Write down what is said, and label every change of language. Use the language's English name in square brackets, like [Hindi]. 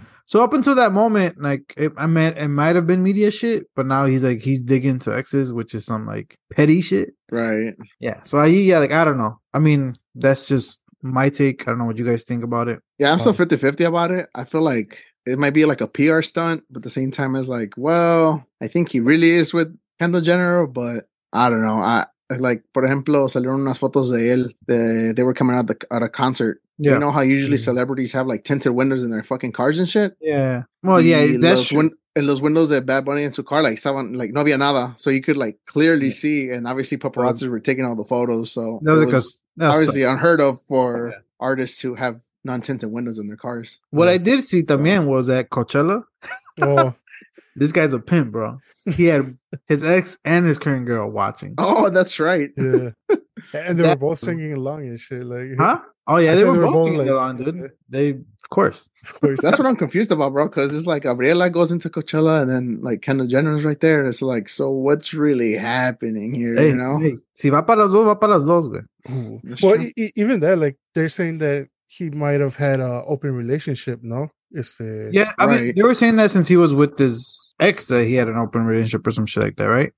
[English] So up until that moment, like it might have been media shit, but now he's like he's digging to exes, which is some like petty shit, right? Yeah. So I don't know. I mean, that's just my take. I don't know what you guys think about it. Yeah, I'm still 50-50 about it. I feel like it might be like a PR stunt, but at the same time, it's like, well, I think he really is with Kendall Jenner, but I don't know. Like, [Spanish] por ejemplo, salieron unas fotos de él. [English] They were coming out at a concert. Yeah. You know how usually celebrities have like tinted windows in their fucking cars and shit? Yeah. Well, yeah, that's true. In those windows that Bad Bunny and [Spanish] su [English] car, like, [Spanish] estaban, [English] like, [Spanish] no había nada. [English] So you could like clearly see. And obviously, paparazzi were taking all the photos. So no, because obviously stuff. Unheard of for artists who have non tinted windows in their cars. What I did see [Spanish] también [English] was at Coachella. Oh. This guy's a pimp, bro. He had his ex and his current girl watching. Oh, that's right. Yeah. And they were both singing along and shit. Like, huh? Oh, yeah. They were both singing along, dude. They, of course. That's what I'm confused about, bro. Because it's like Gabriela goes into Coachella and then like Kendall Jenner's right there. It's like, so what's really happening here? Hey, you know? Hey. [Spanish] Si va para los dos, va para los dos, güey. [English] Well, even that, like, they're saying that he might have had an open relationship, no? I mean, they were saying that since he was with his ex that he had an open relationship or some shit like that, right?